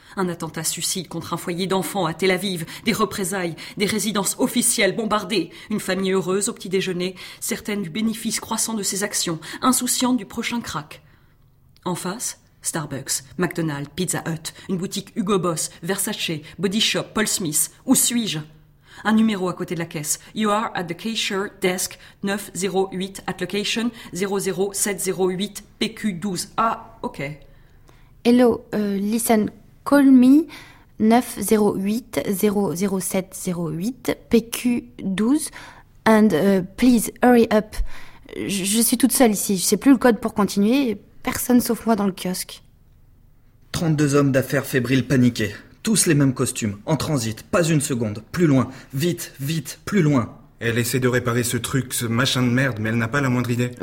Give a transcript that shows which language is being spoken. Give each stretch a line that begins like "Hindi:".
French: Un attentat suicide contre un foyer d'enfants à Tel Aviv, des représailles, des résidences officielles bombardées, une famille heureuse au petit-déjeuner, certaine du bénéfice croissant de ses actions, insouciante du prochain crack. En face, Starbucks, McDonald's, Pizza Hut, une boutique Hugo Boss, Versace, Body Shop, Paul Smith, où suis-je? Un numéro à côté de la caisse.
English: You are at the cashier desk 908 at location 00708 PQ12. Ah, ok. Hello, listen... Call me 908-00708-PQ12 and please hurry up.
French: Je suis toute seule ici, je sais plus le code pour continuer, personne sauf moi dans le kiosque. 32 hommes d'affaires fébriles paniqués, tous les mêmes costumes, en transit, pas une seconde, plus loin, vite, vite, plus loin. Elle essaie de réparer ce truc, ce machin de merde, mais elle n'a pas la moindre idée.